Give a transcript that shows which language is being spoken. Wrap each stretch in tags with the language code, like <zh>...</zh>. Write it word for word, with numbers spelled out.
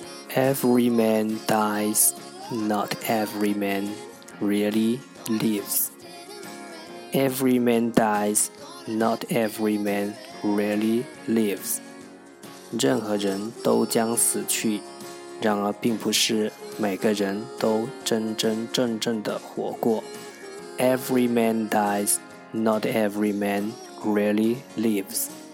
<en>Every man dies, not every man really lives. Every man dies, not every man really lives.</en> <zh>任何人都将死去。然而并不是每个人都真真正正的活过。</zh> <en>Every man dies, not every man really lives.</en>